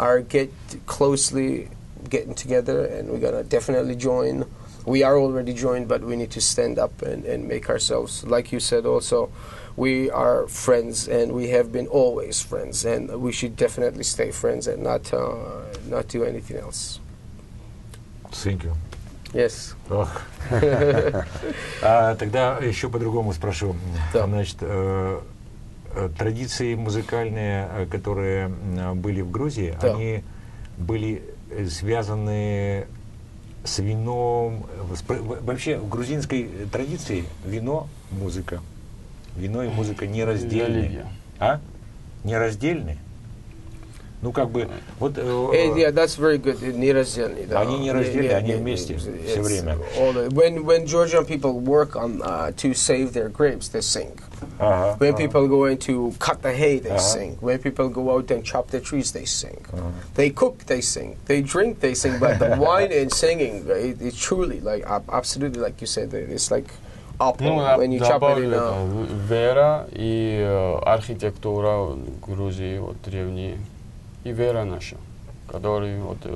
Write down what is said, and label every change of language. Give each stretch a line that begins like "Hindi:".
English: are get closely getting together, and we're gonna definitely join. We are already joined, but we need to stand up and make ourselves, like you said also, we are friends, and we have been always friends, and we should definitely stay friends and not do anything else. Thank you. Yes. Ох.
Russian: А тогда еще по-другому спрошу. Да. Значит, традиции музыкальные, которые были в Грузии, да. они были связаны с вином. Вообще в грузинской традиции вино, музыка. Вино и музыка нераздельны. А? Нераздельны? Ну, как бы, вот...
English: Yeah, that's very good.
Russian: Нераздельные. Да. Они нераздельные, yeah, они вместе все время.
English: When Georgian people work on to save their grapes, they sing. Uh-huh, when people go in to cut the hay, they sing. When people go out and chop the trees, they sing. Uh-huh. They cook, they sing. They drink, they sing. But the wine and singing, it's truly, like, absolutely, like you said, it's like...
Russian: Ну, я добавлю, это, вера и архитектура Грузии, вот, древние, и вера наша, которая вот,